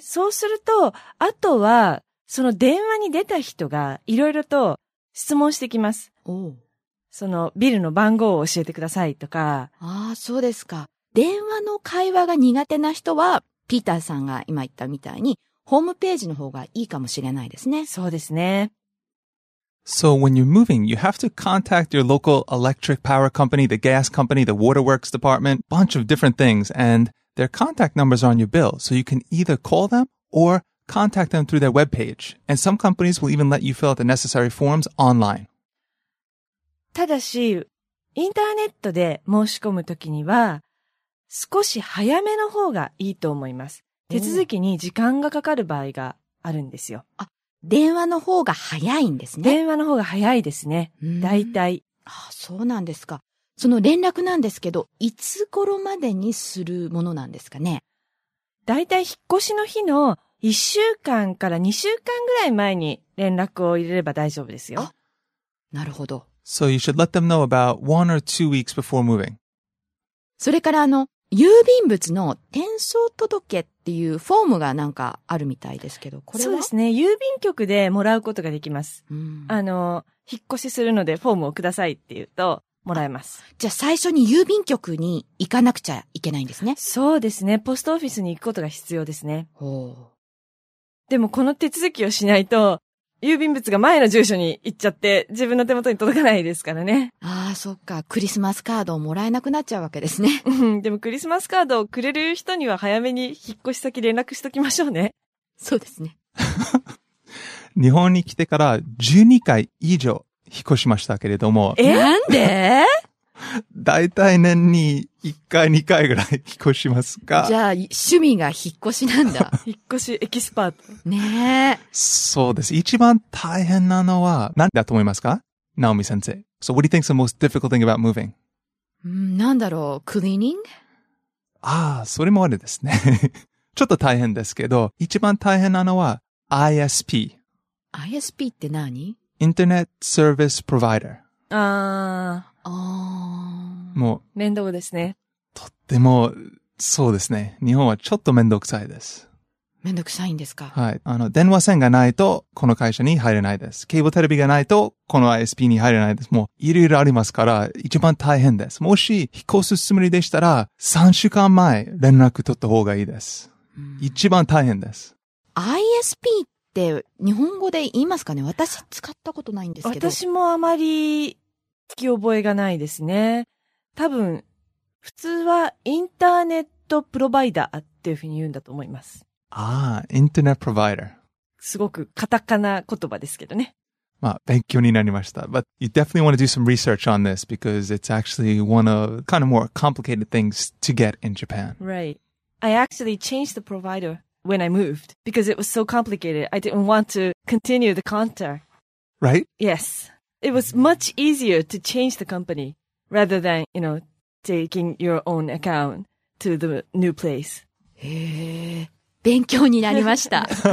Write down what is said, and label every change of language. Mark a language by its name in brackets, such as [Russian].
[Japanese] そうすると、あとは、その電話に出た人がいろいろと質問してきます。おう。そのビルの番号を教えてくださいとか。ああ、そうですか。電話の会話が苦手な人は、ピーターさんが今言ったみたいに、ホームページの方がいいかもしれないですね。そうですね。 [English] So when you're moving, you have to contact your local electric power company, the gas company, the waterworks department, bunch of different things, and their contact numbers are on your bill, so you can either call them or contact them through their webpage. And some companies will even let you fill out the necessary forms online. [Japanese] ただし、インターネットで申し込むときには、少し早めの方がいいと思います。手続きに時間がかかる場合があるんですよ。電話の方が早いんですね。電話の方が早いですね。大体。そうなんですか。その連絡なんですけど、いつ頃までにするものなんですかね。大体引っ越しの日の1週間から2週間ぐらい前に連絡を入れれば大丈夫ですよ。なるほど。 [English] So you should let them know about one or two weeks before moving. [Japanese] それから郵便物の転送届けっていうフォームがなんかあるみたいですけど、これは？そうですね。郵便局でもらうことができます。引っ越しするのでフォームをくださいって言うと、もらえます。じゃあ最初に郵便局に行かなくちゃいけないんですね。そうですね。ポストオフィスに行くことが必要ですね。ほう。でもこの手続きをしないと、郵便物が前の住所に行っちゃって、自分の手元に届かないですからね。ああ、そっか。クリスマスカードをもらえなくなっちゃうわけですね。でもクリスマスカードをくれる人には早めに引っ越し先連絡しときましょうね。そうですね。日本に来てから12回以上引っ越しましたけれども。なんで？大体年に1回2回ぐらい引っ越しますか。じゃあ趣味が引っ越しなんだ。引っ越しエキスパートねえ。そうです。一番大変なのは何だと思いますか、ナオミ先生。 [English] So what do you think is the most difficult thing about moving? [Japanese] なんだろう。クリーニング。ああ、それもあれですね。ちょっと大変ですけど、一番大変なのは ISP。 ISP って何？インターネットサービスプロバイダー。もう面倒ですね。とってもそうですね。日本はちょっと面倒くさいです。面倒くさいんですか。はい。電話線がないとこの会社に入れないです。ケーブルテレビがないとこの ISP に入れないです。もういろいろありますから一番大変です。もし引っ越すつもりでしたら3週間前連絡取った方がいいです。一番大変です。 ISP って日本語で言いますかね。私使ったことないんですけど。私もあまり聞き覚えがないですね。多分普通はインターネットプロバイダーっていうふうに言うんだと思います。ああ、インターネットプロバイダー、すごくカタカナ言葉ですけどね。まあ勉強になりました。 [English] But you definitely want to do some research on this because it's actually one of kind of more complicated things to get in Japan. Right. I actually changed the provider when I moved because it was so complicated. I didn't want to continue the contract. Right? Yes. It was much easier to change the companyRather than, you know, taking your own account to the new place. [Japanese] へえ、勉強になりました。